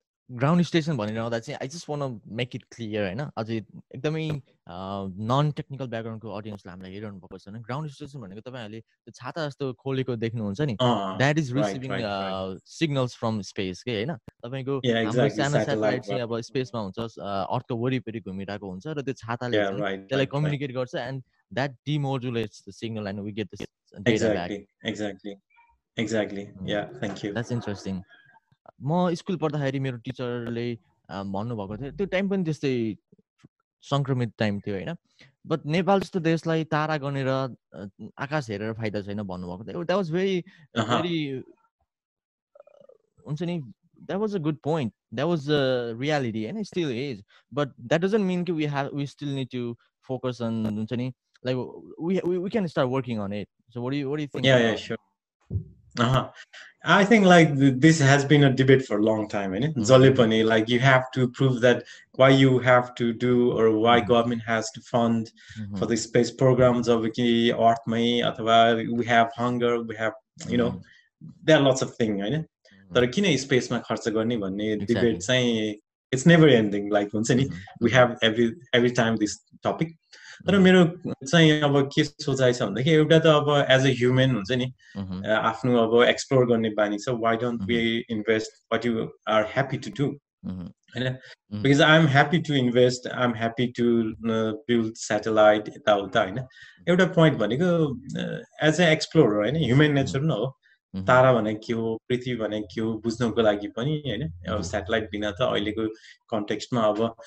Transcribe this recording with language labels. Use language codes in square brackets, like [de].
[ne] ground station भनिरहँदा चाहिँ [en] I just wanna make it clear [ne] होइन अझै एकदमै नन टेक्निकल ब्याकग्राउन्डको अडियन्सले हामीलाई हेरिरहनु भएको छ होइन ग्राउन्ड स्टेसन भनेको तपाईँहरूले त्यो छाता जस्तो खोलेको देख्नुहुन्छ नि [en] that is receiving signals from space [ne] के होइन तपाईँको सानो सेटेलाइट चाहिँ अब स्पेसमा हुन्छ अर्थको वरिपरि घुमिरहेको हुन्छ र त्यो छाताले त्यसलाई कम्युनिकेट गर्छ [en] and that demodulates the signal and we get the data back exactly yeah thank you [ne] that's interesting म स्कुल पढ्दाखेरि मेरो टिचरले भन्नुभएको थियो त्यो टाइम पनि त्यस्तै सङ्क्रमित टाइम थियो होइन बट नेपाल जस्तो देशलाई तारा गनेर आकाश हेरेर फाइदा छैन भन्नुभएको थियो द्याट वाज भेरी भेरी हुन्छ नि [en] that was a good point that was a reality [ne] होइन still is [en] but that doesn't mean कि we still need to focus on [ne] हुन्छ नि [en] like we can start working on it so what do you think I think like this has been a debate for a long time and jale pani like you have to prove that why you have to do or why government has to fund for the space programs of [ne] ki earth mai athawa [en] we have hunger we have you know there are lots of thing right [ne] tara kina space ma kharcha garne bhanne debate chai [en] it's never ending like hunchha ni we have every time this topic [ne] तर मेरो चाहिँ अब के सोचाइ छ भनेदेखि एउटा त अब एज अ ह्युमन हुन्छ नि आफ्नो अब एक्सप्लोर गर्ने बानी छ [en] why don't we invest what you are happy to do [ne] होइन [en] because I am happy to invest I am happy to build satellite [ne] यताउता होइन एउटा पोइन्ट भनेको एज अ एक्सप्लोरर होइन ह्युमन नेचर नै हो तारा भने के हो पृथ्वी भने के हो बुझ्नको लागि पनि होइन अब सेटेलाइट बिना त अहिलेको कन्टेक्स्टमा अब